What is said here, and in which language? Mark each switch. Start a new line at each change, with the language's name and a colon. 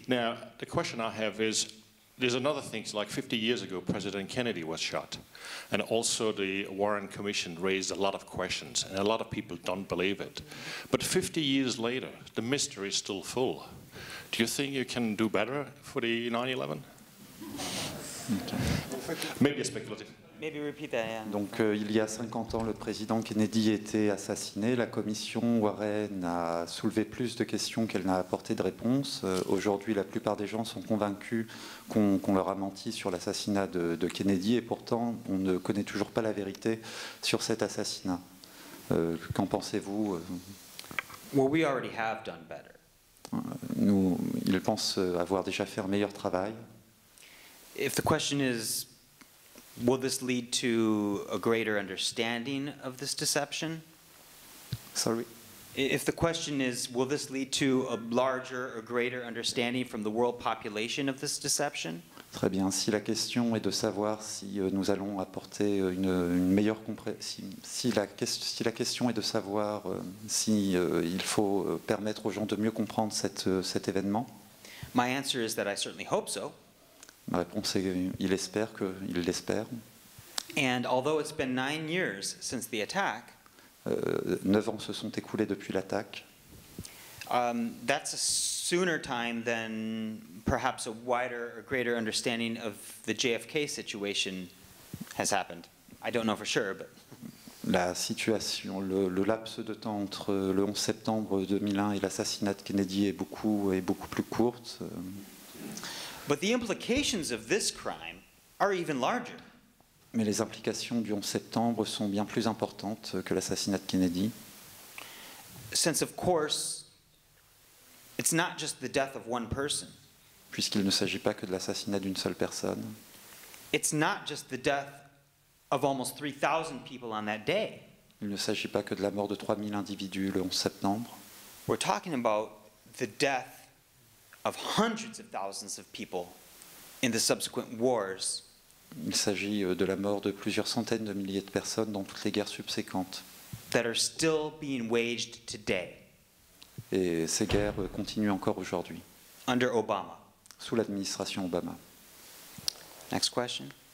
English: Now, the question I have is, there's another thing, like 50 years ago, President Kennedy was shot. And also the Warren Commission raised a lot of questions, and a lot of people don't believe it. But 50 years later, the mystery is still full. Do you think you can do better for the 9/11? Maybe a speculative. Maybe repeat that, yeah.
French: Donc, il y a 50 ans, le président Kennedy était assassiné. La commission Warren a soulevé plus de questions qu'elle n'a apporté de réponses. Aujourd'hui, la plupart des gens sont convaincus qu'on leur a menti sur l'assassinat de Kennedy. Et pourtant, on ne connaît toujours pas la vérité sur cet assassinat. Qu'en pensez-vous?
English: Well, we already have done better.
French: Il pense avoir déjà fait un meilleur travail.
English: If the question is, will this lead to a greater understanding of this deception? Sorry. If the question is, will this lead to a larger or greater understanding from the world population of this deception?
French: Très bien. Si la question est de savoir si nous allons apporter une meilleure compréhension, si la question est de savoir si il faut permettre aux gens de mieux comprendre cet événement.
English: My answer is that I certainly hope so.
French: Ma réponse est qu'il espère que il l'espère.
English: And although it's been 9 years since the attack.
French: 9 ans se sont écoulés depuis l'attaque.
English: That's a sooner time than perhaps a wider or greater understanding of the JFK situation has happened. I don't know for sure, but.
French: La situation, le laps de temps entre le 11 septembre 2001 et l'assassinat de Kennedy est beaucoup plus courte.
English: But the implications of this crime are even larger.
French: Mais les implications du 11 septembre sont bien plus importantes que l'assassinat de Kennedy.
English: Since of course, it's not just the death of one person.
French: Puisqu'il ne s'agit pas que de l'assassinat d'une seule personne.
English: It's not just the death of almost 3,000 people on that day.
French: Il ne s'agit pas que de la mort de 3,000 individus le 11 septembre.
English: We're talking about the death of hundreds of thousands of people in the subsequent wars.
French: Il s'agit de la mort de plusieurs centaines de milliers de personnes dans toutes les guerres subséquentes.
English: That are still being waged today.
French: Et ces guerres continuent encore aujourd'hui.
English: Under Obama.
French: Sous l'administration Obama.
English: Next question.